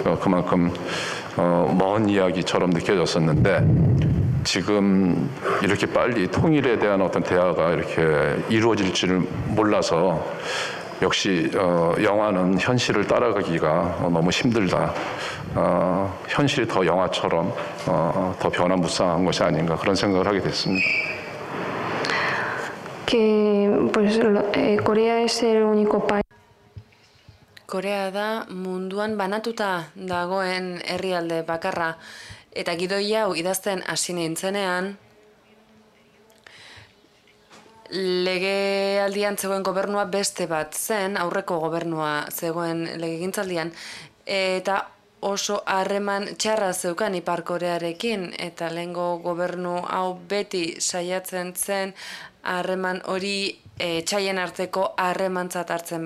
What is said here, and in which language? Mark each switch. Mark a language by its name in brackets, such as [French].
[Korean] 그만큼 먼 이야기처럼 느껴졌었는데 지금 이렇게 빨리 통일에 대한 어떤 대화가 이렇게 이루어질 줄 몰라서 역시 영화는 현실을 따라가기가 너무 힘들다. 현실이 더 영화처럼 더 변화무쌍한 것이 아닌가 그런 생각을 하게 됐습니다. [Spanish] Que pues Corea es el único país. [Basque] Corea da munduan banatuta dagoen herrialde bakarra. Eta gidoi hau idazten hasi nintzenean, legealdian zegoen gobernua beste bat zen, aurreko gobernua zegoen legegintzaldian, eta oso harreman txarra zeukan Ipar Korearekin, eta lehengo gobernu hau beti saiatzen zen harreman hori txaien arteko harremantzat hartzen.